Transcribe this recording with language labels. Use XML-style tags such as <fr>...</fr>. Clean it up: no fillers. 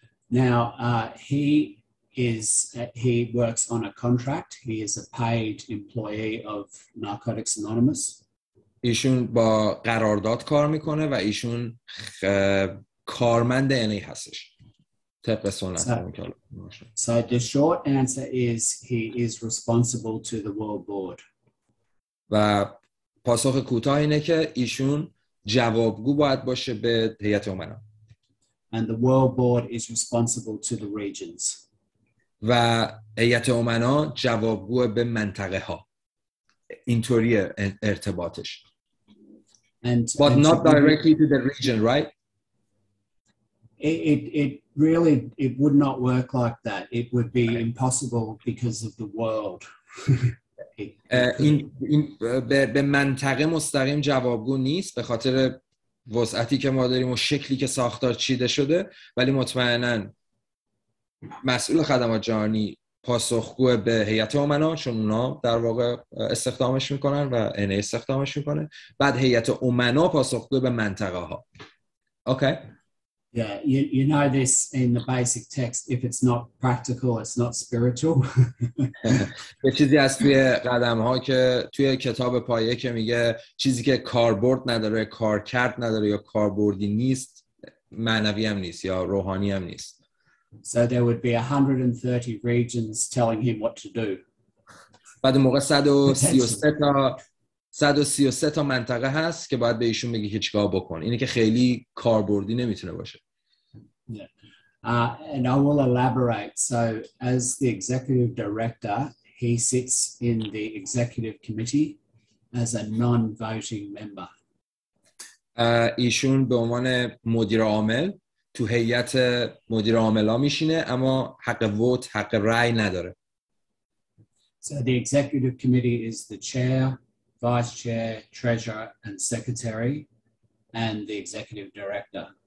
<en>Now he works on a contract. He is a paid employee of Narcotics Anonymous.</en> <fa>ایشون با قرارداد کار میکنه و ایشون کارمند NA هستش. طبق سنت</fa> <en>So the short answer is he is responsible to the World Board.</en> <fa>و پاسخ کوتاه اینه که ایشون جوابگو باید باشه به هیئت امنا.</fa> <en>And the World Board is responsible to the regions.</en> <fa>و هیئت امنا جوابگو به منطقه ها. اینطوریه ارتباطش.</fa> <en>But not directly to the region, right? It really would not work like that. It would be impossible because of the world.</en> <fa>این به منطقه مستقیم جوابگو نیست به خاطر وسعتی که ما داریم و شکلی که ساختار چیده شده ولی مطمئناً مسئول خدمات جهانی پاسخگو به هیئت امنا چون اونا در واقع استخدامش میکنن و NA استخدامش میکنه بعد هیئت امنا پاسخگو به منطقه ها اوکی</fa> <en>Yeah, you know this in the basic text. If it's not practical, it's not spiritual.</en> <fa>یه چیزی از توی قدم‌ها که توی کتاب پایه که میگه چیزی که کاربرد نداره، کارکرد نداره یا کاربردی نیست، معنوی هم نیست یا روحانی هم نیست.</fa> <en>So there would be 130 regions telling him what to do.</en> <fa>بعد موقع 133 تا منطقه هست که باید به ایشون بگی که چیکار بکن. اینه که خیلی کاربردی نمیتونه باشه.</fa> <en>And I will elaborate. So as the executive director, he sits in the executive committee as a non-voting member.</en> <fa>ایشون به عنوان مدیر عامل تو هیئت مدیر عاملا میشینه اما حق ووت، حق رأی نداره.</fa> <en>So the executive committee is the chair, vice chair, treasurer and secretary and the executive director.</en>